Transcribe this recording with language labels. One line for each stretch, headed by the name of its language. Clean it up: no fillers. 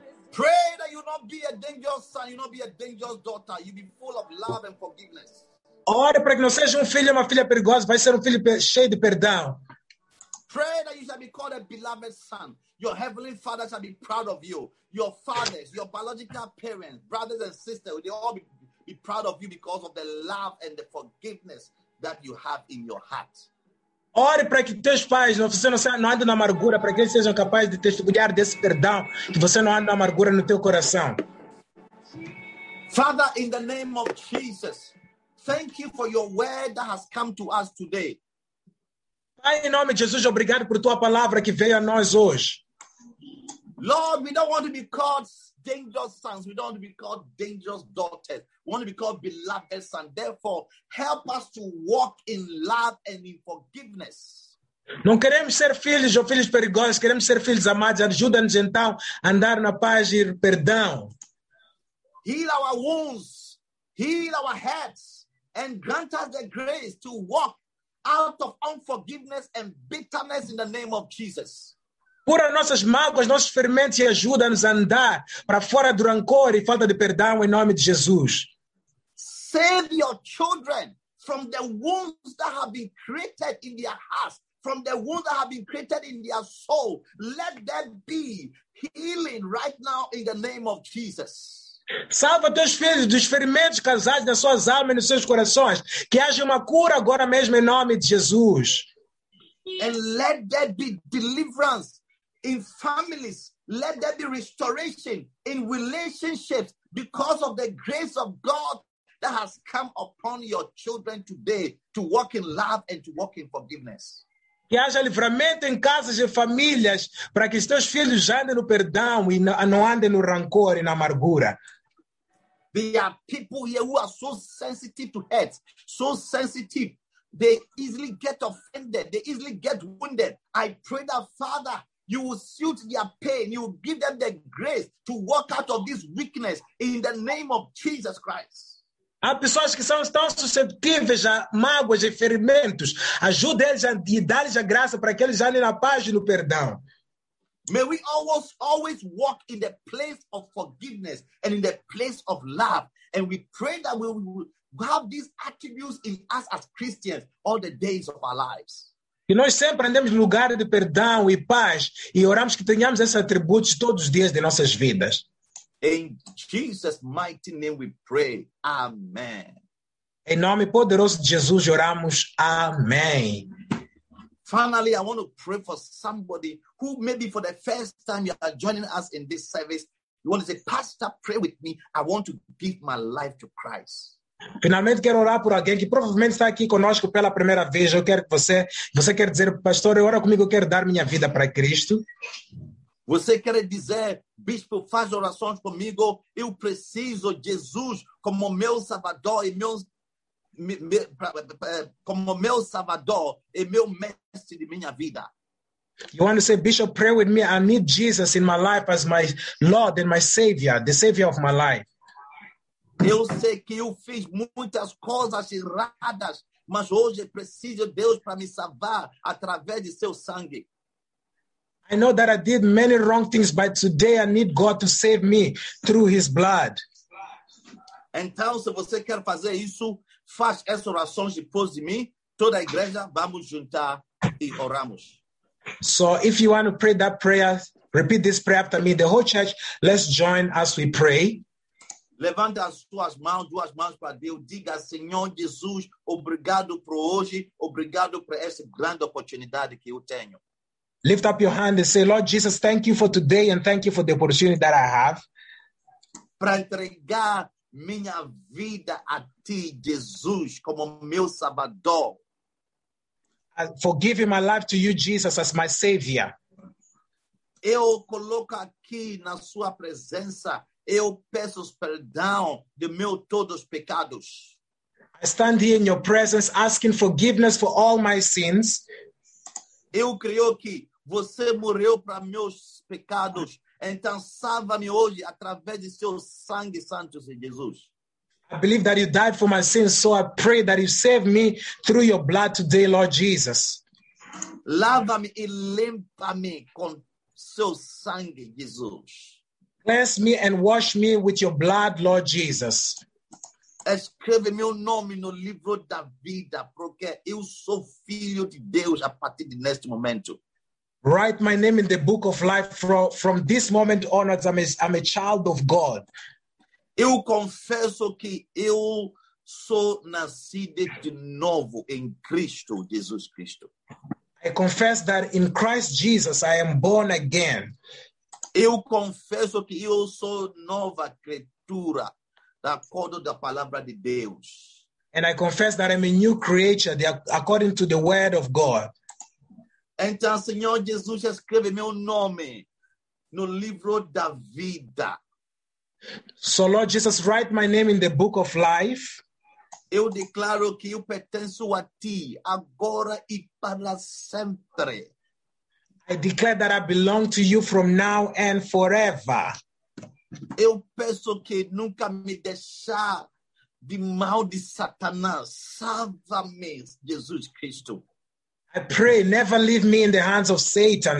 English: Pray that you not be a dangerous son, you not be a dangerous daughter, you be full of love and forgiveness.
Portuguese: Ora para que não seja filho uma filha perigosa, vai ser filho cheio de perdão.
English: Pray that you shall be called a beloved son. Your heavenly father shall be proud of you. Your fathers, your biological parents, brothers and sisters, they all be proud of you because of the love and the forgiveness that you have in your heart.
Portuguese: Ore para que teus pais, você não ande na amargura, para que eles sejam capazes de testemunhar desse perdão, que você não ande na amargura no teu coração.
English: Father, in the name of Jesus, thank you for your word that has come to us today.
Portuguese: Pai, em nome de Jesus, obrigado por tua palavra que veio a nós hoje.
English: Lord, we don't want to be called dangerous sons. We don't want to be called dangerous daughters. We want to be called beloved sons. Therefore, help us to walk in love and in forgiveness.
Portuguese: Não queremos ser filhos ou filhos perigosos. Queremos ser filhos amados. Ajuda-nos então a andar na paz e perdão.
English: Heal our wounds. Heal our hearts. And grant us the grace to walk out of unforgiveness and bitterness in the name of Jesus.
Portuguese: Cura nossas mágoas, nossos ferimentos e ajuda-nos a andar para fora do rancor e falta de perdão em nome de Jesus.
English: Save your children from the wounds that have been created in their hearts, from the wounds that have been created in their soul. Let there be healing right now in the name of Jesus.
Portuguese: Salva teus filhos dos ferimentos causados nas suas almas e nos seus corações. Que haja uma cura agora mesmo em nome de Jesus.
English: And let there be deliverance in families. Let there be restoration in relationships because of the grace of God that has come upon your children today to walk in love and to walk in forgiveness.
Portuguese: Que haja livramento em casas e famílias para que os teus filhos andem no perdão e não andem no rancor e na amargura.
English: There are people here who are so sensitive to hurt, so sensitive. They easily get offended. They easily get wounded. I pray that, Father, you will soothe their pain. You will give them the grace to walk out of this weakness in the name of Jesus Christ.
Portuguese: Há pessoas que são tão susceptíveis a mágoas e ferimentos. Ajude eles a dar-lhes a graça para que eles andem na paz e no perdão.
English: May we always walk in the place of forgiveness and in the place of love. And we pray that we will have these attributes in us as Christians all the days of our lives.
Portuguese: Que nós sempre andemos no lugar de perdão e paz e oramos que tenhamos esses atributos todos os dias de nossas vidas.
English: In Jesus' mighty name we pray. Amen.
Portuguese: Em nome poderoso de Jesus oramos. Amém.
English: Finally, I want to pray for somebody who maybe for the first time you are joining us in this service. You want to say, Pastor, pray with me. I want to give my life to Christ.
Portuguese: Finalmente, quero orar por alguém que provavelmente está aqui conosco pela primeira vez. Eu quero que você quer dizer, Pastor, ora comigo, eu quero dar minha vida para Cristo. Você quer dizer, bispo, faz orações comigo, eu preciso de Jesus como meu Salvador e meu mestre de minha vida.
English: You want to say, bishop, pray with me. I need Jesus in my life as my Lord and my Savior, the Savior of my life.
Portuguese: Eu sei que eu fiz muitas coisas erradas, mas hoje preciso de Deus para me salvar através de seu sangue.
English: I know that I did many wrong things, but today I need God to save me through his blood.
Portuguese: Então, se você quer fazer isso, faz essa oração depois de mim. Toda a igreja, vamos juntar e oramos.
English: So if you want to pray that prayer, repeat this prayer after me. The whole church, let's join as we pray.
Portuguese: Levanta as suas mãos, duas mãos para Deus. Diga, Senhor Jesus, obrigado por hoje. Obrigado por essa grande oportunidade que eu tenho.
English: Lift up your hand and say, Lord Jesus, thank you for today and thank you for the opportunity that I have.
Portuguese: Para entregar minha vida a ti, Jesus, como meu Salvador.
English: For giving my life to you, Jesus, as my Savior.
Portuguese: Eu coloco aqui na sua presença, eu peço perdão de meu todos pecados.
English: I stand here in your presence asking forgiveness for all my sins.
Portuguese: Eu creio que você morreu para meus pecados, então salva-me hoje através de seu sangue, Santo Jesus.
English: I believe that you died for my sins, so I pray that you save me through your blood today, Lord Jesus.
Portuguese: Lava-me e limpa-me com seu sangue, Jesus.
English: Bless me and wash me with your blood, Lord Jesus.
Portuguese: Escreve meu nome no livro da vida, porque eu sou filho de Deus a partir de neste momento.
English: Write my name in the book of life from this moment onwards. I'm a child of God.
Portuguese: Eu confesso que eu sou nascido de novo em Cristo, Jesus Cristo.
English: I confess that in Christ Jesus I am born again.
Portuguese: Eu confesso que eu sou nova criatura, de acordo da palavra de Deus.
English: And I confess that I'm a new creature, according to the word of God.
Portuguese: Então, Senhor Jesus, escreve meu nome no livro da vida.
English: So, Lord Jesus, write my name in the book of life.
Portuguese: Eu declaro que eu pertenço a ti, agora e para sempre.
English: I declare that I belong to you from now and forever.
Portuguese: Eu peço que nunca me deixar de mal de Satanás. Salva-me, Jesus Cristo.
English: I pray, never leave me in the hands of Satan.